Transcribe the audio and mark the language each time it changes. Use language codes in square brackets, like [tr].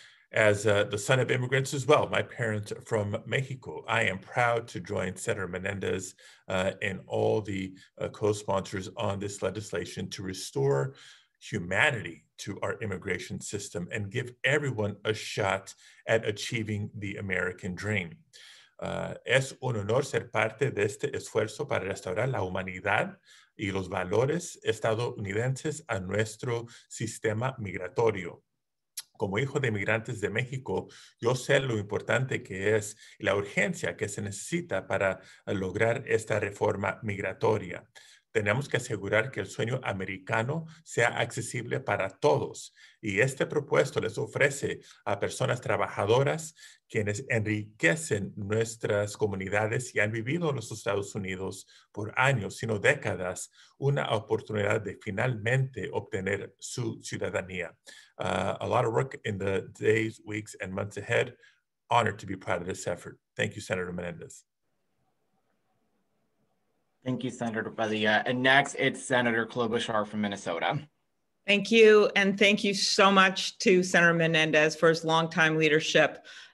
[en] As the son of immigrants as well, my parents are from Mexico, I am proud to join Senator Menendez and all the co-sponsors on this legislation to restore humanity to our immigration system and give everyone a shot at achieving the American dream. [es] Es un honor ser parte de este esfuerzo para restaurar la humanidad y los valores estadounidenses a nuestro sistema migratorio. Como hijo de migrantes de México, yo sé lo importante que es la urgencia que se necesita para lograr esta reforma migratoria. Tenemos que asegurar que el sueño americano sea accesible para todos. Y este propuesto les ofrece a personas trabajadoras quienes enriquecen nuestras comunidades y han vivido en los Estados Unidos por años, sino décadas, una oportunidad de finalmente obtener su ciudadanía. [en] A lot of work in the days, weeks, and months ahead. Honored to be part of this effort. Thank you, Senator Menendez. Thank you, Senator Padilla. And next, it's Senator Klobuchar from Minnesota. Thank you. And thank you so much to Senator Menendez for his longtime leadership.